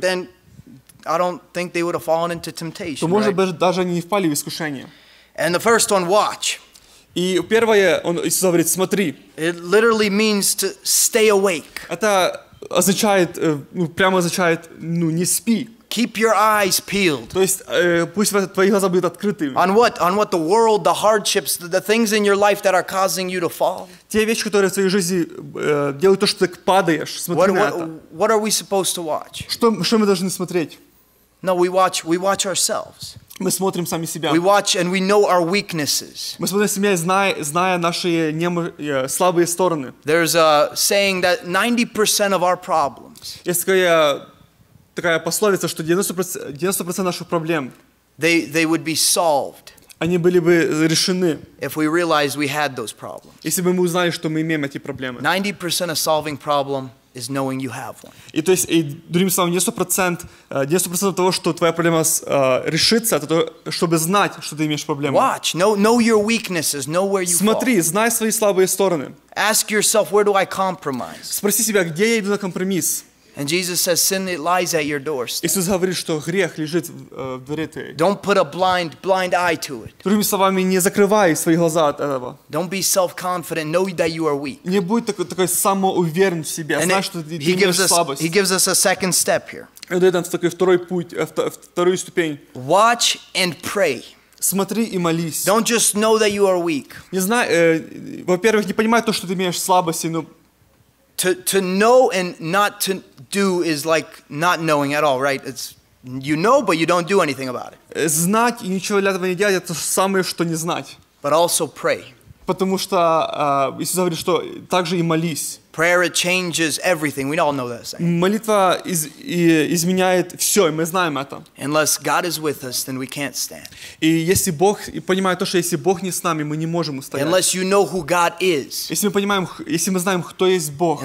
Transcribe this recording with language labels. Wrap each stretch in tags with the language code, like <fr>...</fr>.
<en>Then I don't think they would have fallen into temptation.</en> <ru>То, может быть, даже они не впали в искушение.</ru> <en>And the first one, watch.</en> <ru>И первое, он Иисус говорит, смотри.</ru> <en>It literally means to stay awake.</en> <ru>Это означает, прямо означает, не спи.</ru> <en>Keep your eyes peeled.</en> <ru>То есть, пусть твои глаза будут открытыми.</ru> <en>On what? On what the world, the hardships, the things in your life that are causing you to fall.</en> <ru>Те вещи, которые в твоей жизни делают то, что ты падаешь, смотри на это.</ru> <en>What are we supposed to watch?</en> <ru>Что мы должны смотреть?</ru> <en>No, we watch ourselves.</en> <ru>Мы смотрим сами себя.</ru> <en>We watch and we know our weaknesses.</en> <ru>Мы смотрим себя, зная наши слабые стороны.</ru> <en>There's a saying that 90% of our problems.</en> <ru>Есть такая пословица, что 90% наших проблем.</ru> <en>They would be solved.</en> <ru>Они были бы решены.</ru> <en>If we realized we had those problems.</en> <ru>Если бы мы узнали, что мы имеем эти проблемы.</ru> <en>90% of solving problem. Is knowing you have one.</en> <ru>И то есть, другими словами, 90% того, что твоя проблема решится, это то, чтобы знать, что ты имеешь проблему.</ru> <en>Watch, know your weaknesses, know where you fall.</en> <ru>Смотри, знай свои слабые стороны.</ru> <en>Ask yourself, where do I compromise?</en> <ru>Спроси себя, где я иду на компромисс?</ru> <en>And Jesus says, sin lies at your doorstep.</en> <ru>Иисус говорит, что грех лежит в двери твоей.</ru> <en>Don't put a blind eye to it.</en> <ru>Другими словами, не закрывай свои глаза от этого.</ru> <en>Don't be self-confident. Know that you are weak.</en> <ru>Не будь такой самоуверен в себе. Знай, что ты имеешь слабость.</ru> <en>He gives us a second step here.</en> <ru>Он дает нам такой второй путь, вторую ступень.</ru> <en>Watch and pray.</en> <ru>Смотри и молись.</ru> <en>Don't just know that you are weak.</en> <ru>Не знай, во-первых, не понимай то, что ты имеешь слабости, но</ru> <en>To know and not to do is like not knowing at all, right? It's you know, but you don't do anything about it.</en> <ru>Знать и ничего для этого не делать — это самое, что не знать.</ru> <en>But also pray.</en> <ru>Потому что Иисус говорит, что также и молись.</ru> <en>Prayer it changes everything. We all know that saying.</en> <ru>Молитва изменяет все, и мы знаем это.</ru> <en>Unless God is with us, then we can't stand.</en> <ru>И если Бог, и понимаю то, что если Бог не с нами, мы не можем устоять.</ru> <en>Unless you know who God is.</en> <ru>Если мы знаем, кто есть Бог.</ru>